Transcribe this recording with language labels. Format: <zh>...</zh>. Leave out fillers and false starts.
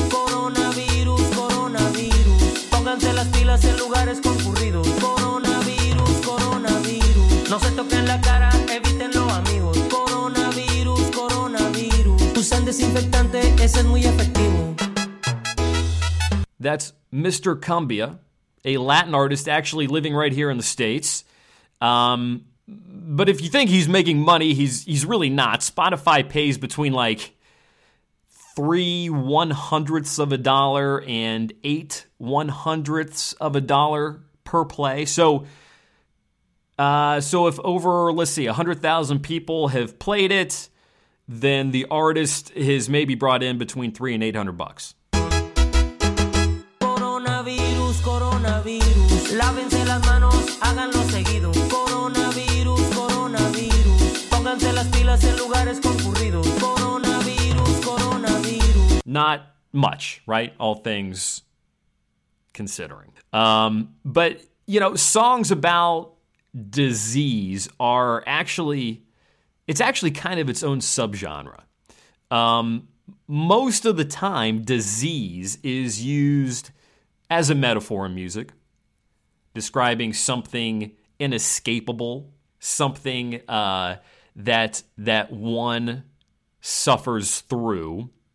<es>Coronavirus, coronavirus, pónganse las pilas en lugares concurridos. Coronavirus, coronavirus, no se toquen la cara, evítenlo, amigos. Coronavirus, coronavirus, usen desinfectante, ese es muy efectivo.</es> <en>That's Mr. Cumbia, a Latin artist actually living right here in the States. But if you think he's making money, he's really not. Spotify pays between like 3/100ths of a dollar and 8/100ths of a dollar per play. So if over, 100,000 people have played it, then the artist has maybe brought in between $300 and $800.</en> <es>Coronavirus, coronavirus, lávense las manos, háganlo seguido. Coronavirus, coronavirus, pónganse las pilas en lugares concurridos.</es> <en>Coronavirus, coronavirus. Not much, right? All things considering. But, you know, songs about disease are actually, it's actually kind of its own subgenre. Most of the time, disease is used as a metaphor in music, describing something inescapable, something that one suffers through.</en>